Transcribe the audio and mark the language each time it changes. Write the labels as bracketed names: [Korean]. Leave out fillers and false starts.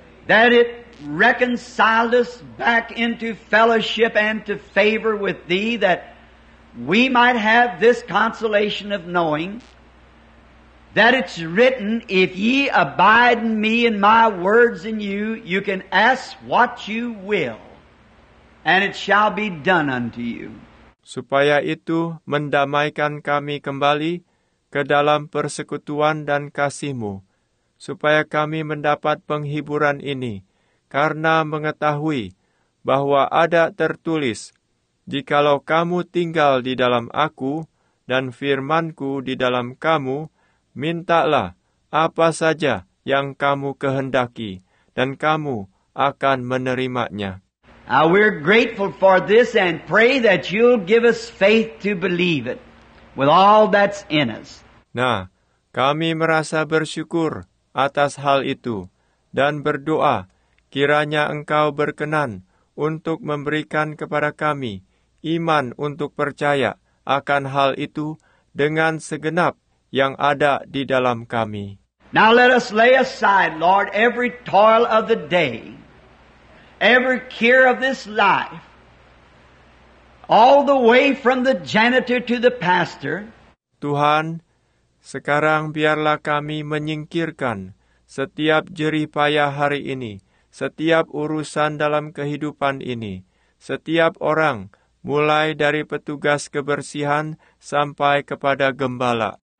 [English] That it reconciled us back into fellowship and to favor with Thee, that we might have this consolation of knowing that it's written, if ye abide in me and my words in you, you can ask what you will, and it shall be done unto you. [Indonesian] Supaya itu mendamaikan kami kembali ke dalam persekutuan dan kasih-Mu, supaya kami mendapat penghiburan ini, karena mengetahui bahwa ada tertulis, jikalau kamu tinggal di dalam aku dan firman-Ku di dalam kamu, mintalah apa saja yang kamu kehendaki, dan kamu akan menerimanya. [English] Now we're grateful for this and pray that you'll give us faith to believe it with all that's in us. [Indonesian] Nah, kami merasa bersyukur atas hal itu dan berdoa kiranya Engkau berkenan untuk memberikan kepada kami iman untuk percaya akan hal itu dengan segenap yang ada di dalam kami. [English] Now let us lay aside, Lord, every toil of the day, every care of this life, all the way from the janitor to the pastor. [Indonesian] Tuhan, sekarang biarlah kami menyingkirkan setiap jerih payah hari ini, setiap urusan dalam kehidupan ini, setiap orang, mulai dari petugas kebersihan sampai kepada gembala.